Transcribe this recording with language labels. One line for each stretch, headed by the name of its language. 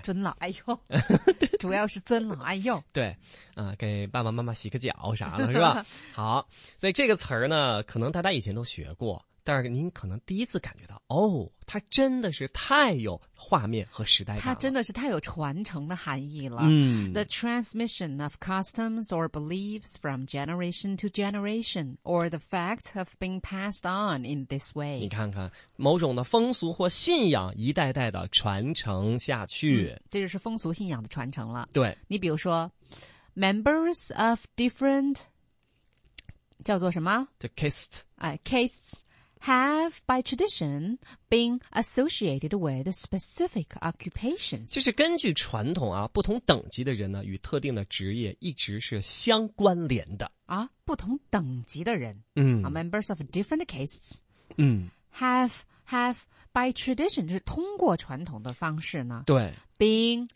Chinese: 尊老爱幼，主要是尊老爱幼。对，给爸爸妈妈洗个脚啥的，是吧？好，所以这个词儿呢，可能大家以前都学过，但是您可能第一次感觉到，哦，它真的是太有画面和时代感了，它真的是太有传承的含义了。嗯
English: ，The transmission of customs or beliefs from generation to generation, or the fact of being passed on in this way。
Chinese: 你看看，某种的风俗或信仰一代代的传承下去、嗯，这就是风俗信仰的传承了。对，你比如说 ，
English: members of different
Chinese: 叫做什么
English: ？The caste，哎 ，castes。 Have by tradition been associated with specific occupations.
Chinese: 就是根据传统啊，不同等级的人呢，与特定的职业一直是相关联的啊。不同等级的人，嗯、
English: 啊、，members of different castes, 嗯， have by tradition
Chinese: 就是通过传统的方式呢，对
English: ，being